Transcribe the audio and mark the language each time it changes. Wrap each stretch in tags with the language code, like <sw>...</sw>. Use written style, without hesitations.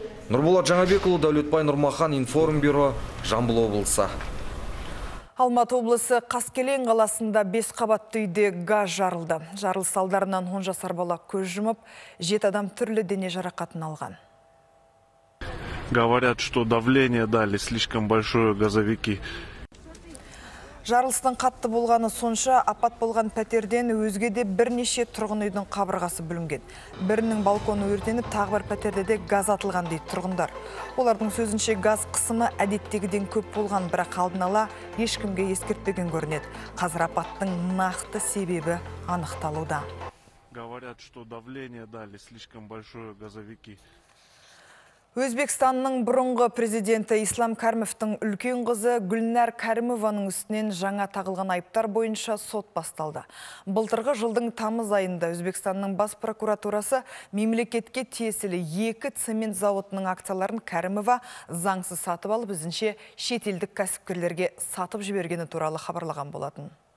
<kk>Нұрболат Жаңабекұлы, Дәулетбай Нұрмахан, Информбюро, Жамбыл облысы. Алматы облысы Қаскелең қаласында 5 қабатты үйде газ жарылды. Жарылыс салдарынан 10 жасар бала көз жұмып, 7 адам түрлі дене жарақатын алған.</kk> <ru>Говорят, что давление дали слишком большое газовики.</ru> <kk>Жарылыстың қатты болғаны сонша, апат болған пәтерден өзге де бірнеше тұрғын үйдің қабырғасы бүлінген. Бірінің балконы өртеніп, тағы бір пәтерде де газ атылған дейді тұрғындар. Олардың сөзінше газ қысымы әдеттегіден көп болған, бірақ алдын ала ешкімге ескертпеген көрінеді. Қазір апаттың нақты себебі анықталуда.</kk> <ru>Говорят, что давление дали слишком большое газовики.</ru> <kk>Өзбекстанның бұрынғы президенті Ислам Кәрімовтің үлкен қызы Гүлнәр Кәрімованың үстінен жаңа тағылған айыптар бойынша сот басталды. Былтырғы жылдың тамыз айында Өзбекстанның бас прокуратурасы мемлекетке тиесілі 2 цемент зауытының акцияларын Кәрімова заңсыз сатып алып, өзінше шетелдік кәсіпкерлерге сатып жібергені туралы хабарлаған болатын.</kk>